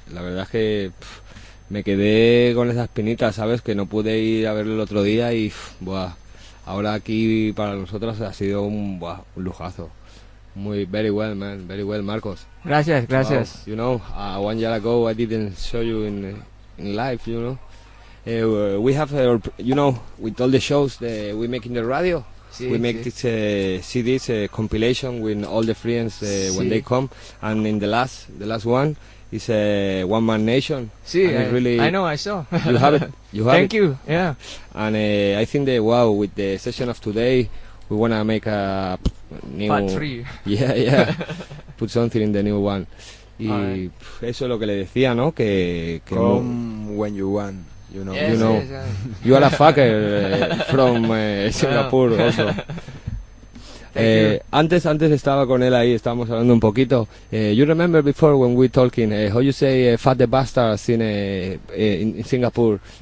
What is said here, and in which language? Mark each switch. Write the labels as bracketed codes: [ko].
[es] La verdad es que me quedé con esa espinita, ¿sabes? Que no pude ir a verlo el otro día y, buah, ahora aquí para nosotros ha sido un, buah, un lujazo. [en] Muy, very well, man, very well, Marcos. [es] Gracias, gracias. [en] Wow. You know, one year ago I didn't show you in life, you know. We have, you know, with all the shows that we make in the radio, sí, we make this CD, a compilation with all the friends sí. when they come, and in the last one is One Man Nation. Sí, I really, I know, I saw. You have it. You have thank it. You. Yeah. And I think that wow, with the session of today, we wanna make a new part three. Yeah, yeah. Put something in the new one. [es] Y eso es lo que le decía, ¿no? Que [en] come when you want. You know, yes, you know, yes, yes. You are a fucker from Singapore also. Thank [es] antes estaba con él ahí, estábamos hablando un poquito. [en] You remember before when we talking, how you say fat the bastards in Singapore?